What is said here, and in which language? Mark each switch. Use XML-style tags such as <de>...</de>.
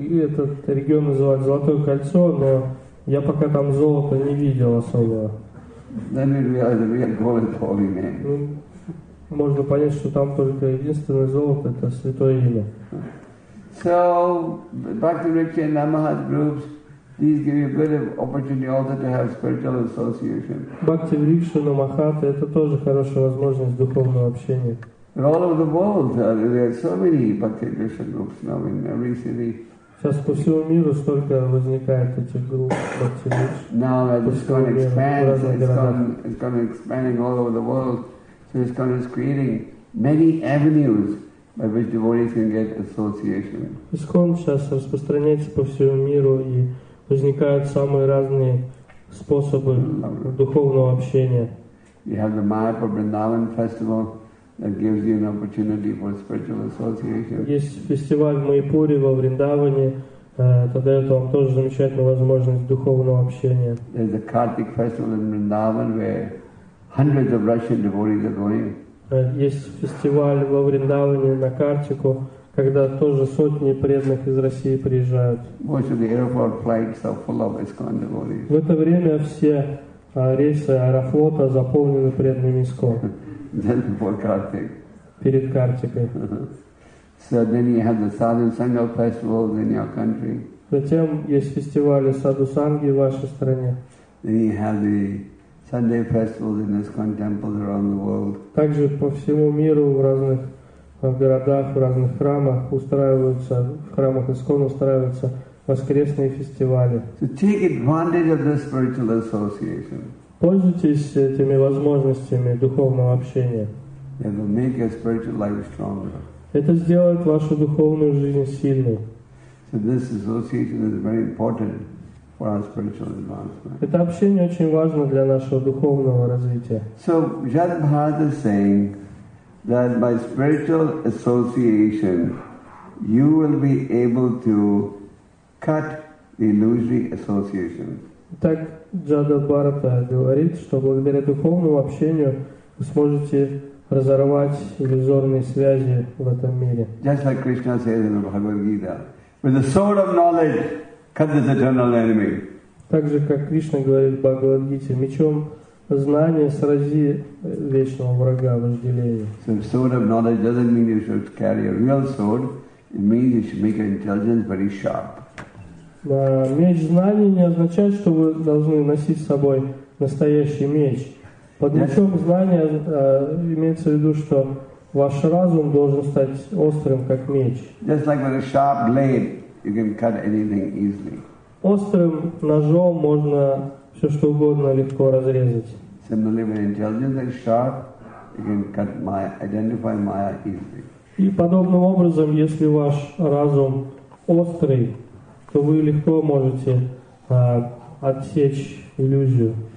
<ru>И этот регион называют Золотое кольцо, но я пока там золото не видел особо.</ru> <en>Then we realize the real gold is holy name.</en> <ru>Можно понять, что там только единственное золото это святое имя.</ru> <en>So, Bhakti Vriksha and Namahat groups, these give you a good opportunity also to have spiritual association.</en> <ru>Bhakti Vriksha and Namahat это тоже хорошая возможность духовного общения.</ru> <en>In all over the world, there are so many Bhakti Vriksha groups now in every city.</en> <ru>Сейчас по всему миру столько возникает этих групп Bhakti Vriksha.</ru> <en>Now that it's going to expand, it's going to expand all over the world. This kind of creating many avenues by which devotees can get association.</en> <ru>ИСККОН сейчас распространяется по всему миру и возникают самые разные способы духовного общения.</ru> <en>You have the Mayapur Vrindavan festival that gives you an opportunity for spiritual association.</en> <ru>Есть фестиваль в Майпуре во Вриндаване, это дает вам тоже замечательную возможность духовного общения.</ru> <en>There's the Kartik festival in Vrindavan where hundreds of Russian devotees are going.</en> <ru>Есть фестиваль во Вриндаване на Картику, когда тоже сотни преданных из России приезжают.</ru> <en>Most of the airport flights are full of ISKCON devotees.</en> <ru>В это время все рейсы Аэрофлота заполнены преданными ISKCON.</ru> <en>Then before Kartik.</en> <ru>Перед Картикой.</ru> <en>So then you have the Sadhu Sangha festival in your country.</en> <ru>Затем есть фестивали Саду Санги в вашей стране.</ru> <en>Then you have the Sunday festivals in ISKCON temples around the world.</en> <ru>Также по всему миру в разных городах, в разных храмах устраиваются в храмах ИСККОН устраиваются воскресные фестивали.</ru> <en>So take advantage of this spiritual association.</en> <ru>Пользуйтесь этими возможностями духовного общения.</ru> <en>It will make your spiritual life stronger.</en> <ru>Это сделает вашу духовную жизнь сильной.</ru> <en>So this association is very important. For our spiritual advancement.</en> <ru>Это общение очень важно для нашего духовного развития.</ru> <en>So, Jada Bharata is saying that by spiritual association, you will be able to cut the illusory association.</en> <ru>Так Jada Bharata говорит, что благодаря духовному общению вы сможете разорвать иллюзорные связи в этом мире.</ru> <en>Just like Krishna says in the Bhagavad Gita, with the sword of knowledge. Cut this eternal enemy.</en> <ru>Также как Кришна говорит в Бхагавад-гите, мечом знания срази вечного врага вожделения.</ru> <en>So the sword of knowledge doesn't mean you should carry a real sword. It means you should make your intelligence very sharp.</en> <ru>Меч знаний не означает, что вы должны носить с собой настоящий меч. Под мечом знания имеется в виду, что ваш разум должен стать острым, как меч.</ru> <en>Just like with a sharp blade. You can cut anything easily.</en> <ru>Острым ножом можно все что угодно легко разрезать.</ru> <en>Similarly, when intelligence is sharp, you can cut Maya, identify Maya easily.</en> <ru>И подобным образом, если ваш разум острый, то вы легко можете отсечь иллюзию.</ru>